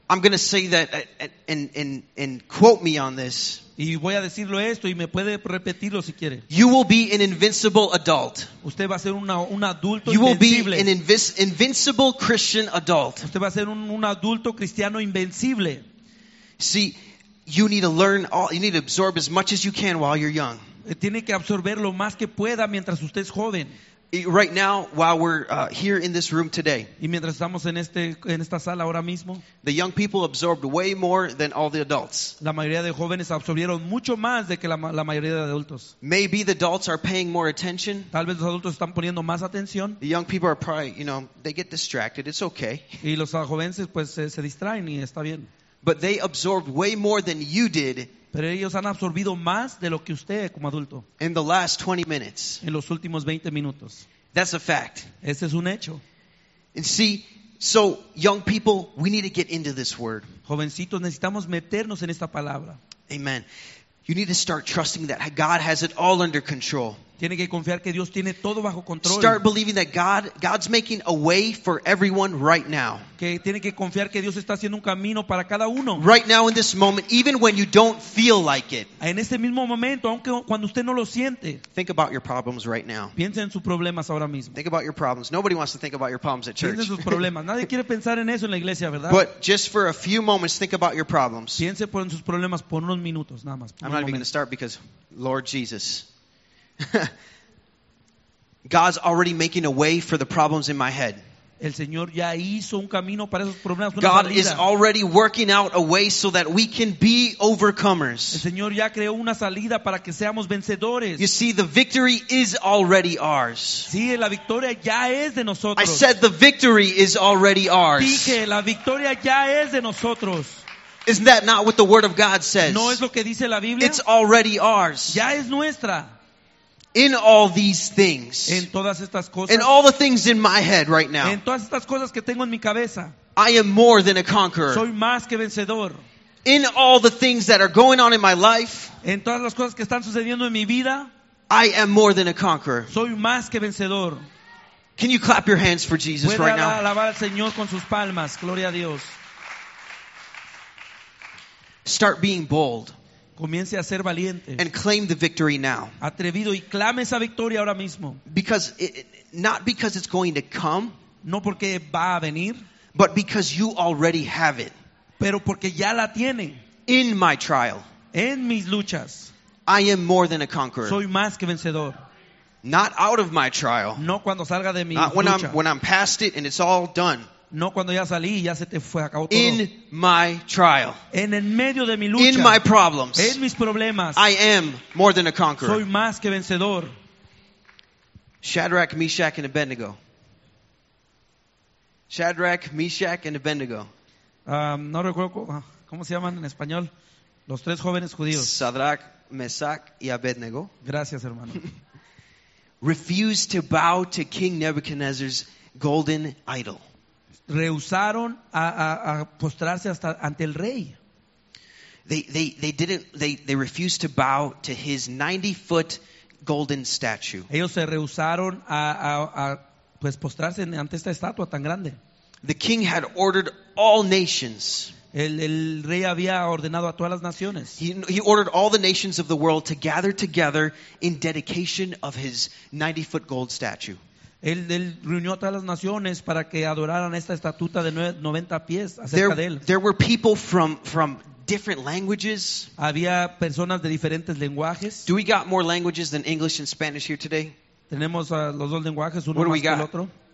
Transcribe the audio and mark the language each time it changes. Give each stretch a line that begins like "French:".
English: I'm going to say that and quote me on this.
Spanish: Y voy a decirlo esto y me puede repetirlo si quiere.
English: You will be an invincible adult.
Spanish: Usted va a ser un adulto invencible.
English: You will be an invincible Christian adult.
Spanish: Usted va a ser un adulto cristiano invencible.
English: See, you need to learn all, you need to absorb as much as you can while you're young.
Spanish: Tiene que absorber lo más que pueda mientras usted es joven.
English: Right now, while we're here in this room today,
Spanish: y mientras estamos en este, en esta sala ahora mismo,
English: the young people absorbed way more than all the adults.
Spanish: La mayoría de jóvenes absorbieron mucho más de que la mayoría de adultos.
English: Maybe the adults are paying more attention.
Spanish: Tal vez los adultos están poniendo más atención.
English: The young people are probably, you know, they get distracted. It's okay.
Spanish: Y los jóvenes pues se distraen y está bien.
English: But they absorbed way more than you did.
Spanish: Pero ellos han absorbido más de lo que usted como adulto.
English: In the last 20 minutes.
Spanish: En los últimos 20 minutos.
English: That's a fact.
Spanish: Ese es un hecho.
English: And see, so young people, we need to get into this word.
Spanish: Jovencitos, necesitamos meternos en esta palabra.
English: Amen. You need to start trusting that God has it all under control.
Spanish: Tiene que confiar que Dios tiene todo bajo control.
English: Start believing that God's making a way for everyone right now.
Spanish: Que tiene que confiar que Dios está haciendo un camino para cada uno.
English: Right now in this moment, even when you don't feel like it.
Spanish: En este mismo momento, aunque cuando usted no lo siente.
English: Think about your problems right now.
Spanish: Piensa en sus problemas ahora mismo.
English: Think about your problems. Nobody wants to think about your problems at church.
Spanish: Piensa en sus problemas. Nadie quiere pensar en eso en la iglesia, ¿verdad?
English: But just for a few moments, think about your problems.
Spanish: Piense en sus problemas por unos minutos, nada más.
English: I'm not even going to start because Lord Jesus. God's already making a way for the problems in my head.
Spanish: El Señor ya hizo un camino para esos problemas.
English: God is already working out a way so that we can be overcomers.
Spanish: El Señor ya creó una salida para que seamos vencedores.
English: You see, the victory is already ours.
Spanish: Sí, la victoria ya es de nosotros.
English: I said the victory is already ours.
Spanish: Dije, la victoria ya es de nosotros.
English: Isn't that not what the Word of God says?
Spanish: No es lo que dice la Biblia.
English: It's already ours.
Spanish: Ya es nuestra.
English: In all these things,
Spanish: en todas estas cosas,
English: in all the things in my head right now,
Spanish: en todas estas cosas que tengo en mi cabeza,
English: I am more than a conqueror.
Spanish: Soy más que vencedor.
English: In all the things that are going on in my life,
Spanish: en todas las cosas que están sucediendo en mi vida,
English: I am more than a conqueror.
Spanish: Soy más que vencedor.
English: Can you clap your hands for Jesus right now?
Spanish: Puede alabar al Señor con sus palmas. Gloria a Dios.
English: Start being bold.
Spanish: Comience a ser valiente.
English: And claim the victory now.
Spanish: Atrevido y clame esa victoria ahora mismo.
English: Because not because it's going to come,
Spanish: no porque va a venir,
English: but because you already have it.
Spanish: Pero porque ya la tiene.
English: In my trial,
Spanish: en mis luchas,
English: I am more than a conqueror.
Spanish: Soy más que vencedor.
English: Not out of my trial.
Spanish: No cuando salga de mi
English: not
Spanish: lucha.
English: When I'm past it and it's all done.
Spanish: No cuando ya salí y ya se te fue, acabó todo.
English: In my trial.
Spanish: En el medio de mi lucha.
English: In my problems.
Spanish: En mis problemas.
English: I am more than a conqueror.
Spanish: Soy más que vencedor.
English: Shadrach, Meshach, and Abednego. Shadrach, Meshach, and Abednego.
Spanish: No recuerdo cómo se llaman en español. Los tres jóvenes judíos. Shadrach, Meshach, y Abednego. Gracias, hermano.
English: Refused to bow to King Nebuchadnezzar's golden idol.
Spanish: Rehusaron a postrarse hasta ante el rey.
English: They refused to bow to his 90-foot golden statue.
Spanish: Ellos se rehusaron a pues postrarse ante esta estatua tan grande.
English: The king had ordered all nations.
Spanish: El rey había ordenado a todas las naciones.
English: He ordered all the nations of the world to gather together in dedication of his 90-foot gold statue.
Spanish: Él reunió a todas las naciones para que adoraran esta estatua de 90 pies acerca de él.
English: There were people from different languages.
Spanish: Había personas de diferentes lenguajes.
English: Do we got more languages than English and Spanish here today?
Spanish: Tenemos los dos lenguajes, uno más que el otro.